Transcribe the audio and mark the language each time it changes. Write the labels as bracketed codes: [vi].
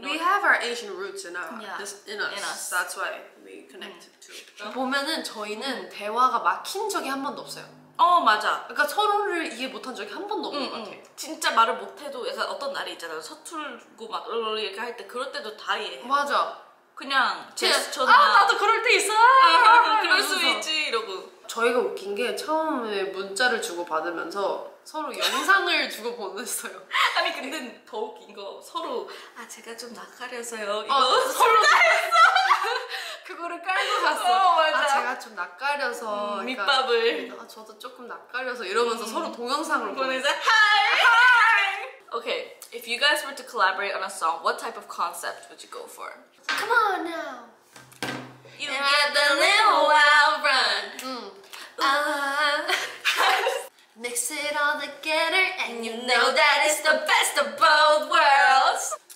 [en] know, we have our Asian roots in our in us. That's why we connected to it. [ko] 보면은 저희는 대화가 막힌 적이 한 번도 없어요. 맞아. 그러니까 서로를 이해 못한 적이 한 번도 없는 것 같아. 진짜 말을 못해도 약간 어떤 날이 있잖아. 서툴고 막 이렇게 할 때 그럴 때도 다 이해해. 맞아. 그냥 제스처나 나도 그럴 때 있어! 그럴 수 있지 이러고. 저희가 웃긴 게 처음에 문자를 주고받으면서 서로 영상을 주고 보냈어요. 아니 근데 더 웃긴 거 서로 아 제가 좀 낯가려서요 이거 서로 다 했어! 그거를 깔고 갔어. 맞아. 아 제가 좀 낯가려서 밑밥을 그러니까, 아 저도 조금 낯가려서 이러면서 서로 동영상을 보내자. 하이! 오케이. Okay. [en] If you guys were to collaborate on a song, what type of concept would you go for? Come on now. You get the little wild run. Mix it all together and you know that it's the best of both worlds.